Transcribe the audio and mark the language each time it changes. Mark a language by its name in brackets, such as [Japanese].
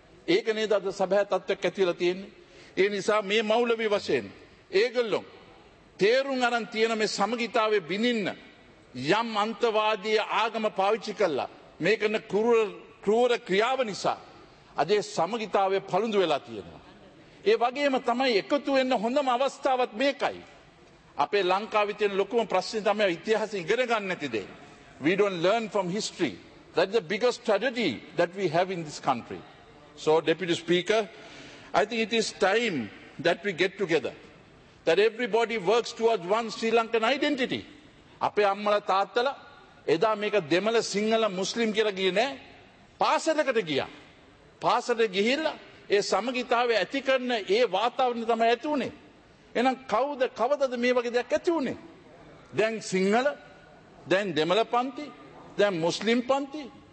[Sinhala] ඒක නේද අද සභා තත්ත්වයක් ඇතිවලා තියෙන්නේ. ඒ නිසා මේ මෞලවි වශයෙන් ඒගොල්ලෝ තේරුම් අරන් තියෙන මේ සමගිතාවේ බිනින්න යම් අන්තවාදී ආගම පාවිච්චි කළා. මේ කරන ක්‍රූර ක්‍රියාව නිසා අද සමගිතාවේ පළුඳු වෙලා තියෙනවා. ඒ වගේම තමයි එකතු වෙන්න හොඳම අවස්ථාවත් මේකයි. අපේ ලංකාවේ තියෙන ලොකුම ප්‍රශ්නේ තමයි ඉතිහාසය ඉගෙන ගන්න නැති දේ. [English] We don't learn from history. That is the biggest tragedy that we have in this country. So, Deputy Speaker, I think it is time that we get together. That everybody works towards one Sri Lankan identity. [Sinhala] අපේ අම්මලා තාත්තලා එදා මේක දෙමළ සිංහල මුස්ලිම් කියලා ගියේ නැහැ. පාසලකට ගියා. පාසලට ගිහිල්ලා ඒ සමගිතාවේ ඇති කරන ඒ වාතාවරණය තමයි ඇති උනේ. එහෙනම් කවුද කවදද මේ වගේ දෙයක් ඇති උනේ? දැන් සිංහල, දැන් දෙමළ පන්ති, දැන් මුස්ලිම් පන්ති.